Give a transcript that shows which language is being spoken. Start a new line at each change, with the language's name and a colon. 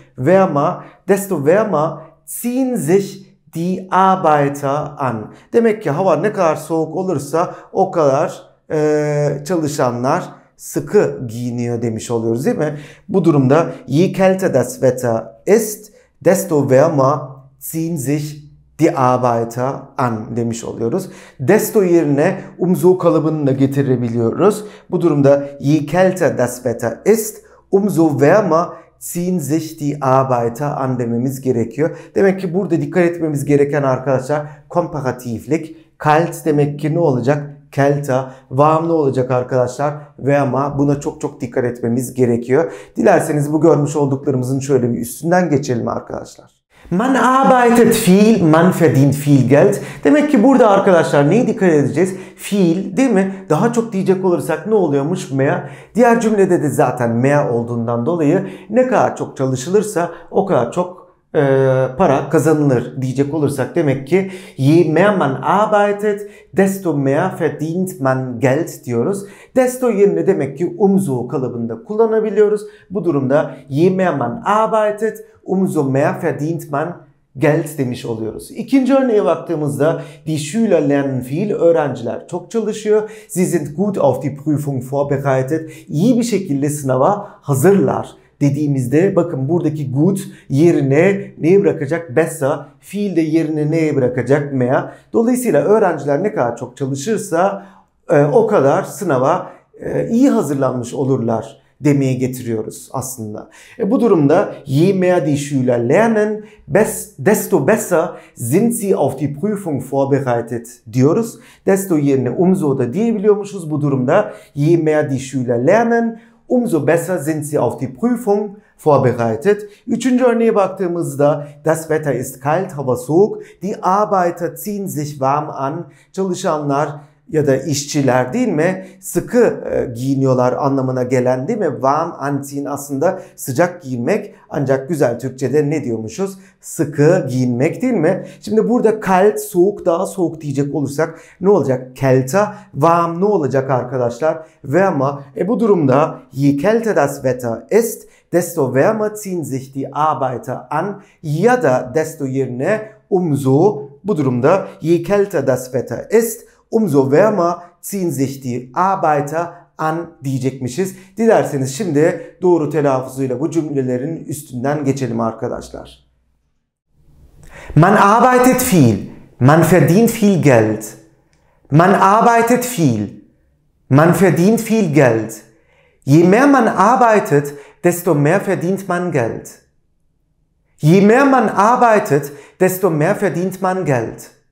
German: Wärmer, desto wärmer ziehen sich die Arbeiter an.
Turkish: Demek ki hava ne kadar soğuk olursa o kadar çalışanlar sıkı giyiniyor demiş oluyoruz değil mi? Bu durumda
German: je kälter das Wetter ist, desto wärmer ziehen sich die Arbeiter an
Turkish: demiş oluyoruz. Desto yerine umso kalıbını da getirebiliyoruz. Bu durumda
German: je kälter das Wetter ist, umso wärmer ziehen sich die Arbeiter an
Turkish: dememiz gerekiyor. Demek ki burada dikkat etmemiz gereken arkadaşlar komparatiflik. Kalt demek ki ne olacak? Kälter. Warm ne olacak arkadaşlar? Wärmer. Buna çok çok dikkat etmemiz gerekiyor. Dilerseniz bu görmüş olduklarımızın şöyle bir üstünden geçelim arkadaşlar.
German: Man arbeitet viel, man verdient viel Geld.
Turkish: Demek ki burada arkadaşlar neye dikkat edeceğiz? Viel değil mi? Daha çok diyecek olursak ne oluyormuş? Mehr. Diğer cümlede de zaten mehr olduğundan dolayı ne kadar çok çalışılırsa o kadar çok para kazanılır diyecek olursak demek ki
German: je mehr man arbeitet, desto mehr verdient man Geld
Turkish: diyoruz. Desto yerine demek ki umso kalıbında kullanabiliyoruz. Bu durumda
German: je mehr man arbeitet, umso mehr verdient man Geld
Turkish: demiş oluyoruz. İkinci örneğe baktığımızda
German: die Schüler lernen viel,
Turkish: öğrenciler çok çalışıyor.
German: Sie sind gut auf die Prüfung vorbereitet,
Turkish: iyi bir şekilde sınava hazırlar dediğimizde bakın buradaki gut yerine neyi bırakacak? Besser. Fiil de yerine neyi bırakacak? Mehr. Dolayısıyla öğrenciler ne kadar çok çalışırsa o kadar sınava iyi hazırlanmış olurlar demeye getiriyoruz aslında. Bu durumda
German: je mehr die Schüler lernen, desto besser sind sie auf die Prüfung vorbereitet
Turkish: diyoruz. Desto yerine umso da diyebiliyormuşuz bu durumda.
German: Je mehr die Schüler lernen, umso besser sind sie auf die Prüfung vorbereitet.
Turkish: Üçüncü örneğe baktığımızda
German: das Wetter ist kalt,
Turkish: hava soğuk.
German: Die Arbeiter ziehen sich warm an.
Turkish: Çalışanlar ya da işçiler değil mi? Sıkı giyiniyorlar anlamına gelen değil mi? Warm anziehen aslında sıcak giyinmek. Ancak güzel Türkçe'de ne diyormuşuz? Sıkı giyinmek değil mi? Şimdi burada kalt, soğuk, daha soğuk diyecek olursak ne olacak? Kälter. Warm ne olacak arkadaşlar?
German: Wärmer.
Turkish: Bu durumda
German: je kälter das Wetter ist, desto wärmer ziehen sich die Arbeiter an. Ya da desto yerine umso.
Turkish: Bu durumda
German: je kälter das Wetter ist, umso wärmer ziehen sich die Arbeiter an
Turkish: diyecekmişiz. Dilerseniz şimdi doğru telaffuzuyla bu cümlelerin üstünden geçelim arkadaşlar.
German: Man arbeitet viel, man verdient viel Geld. Man arbeitet viel, man verdient viel Geld. Je mehr man arbeitet, desto mehr verdient man Geld. Je mehr man arbeitet, desto mehr verdient man Geld.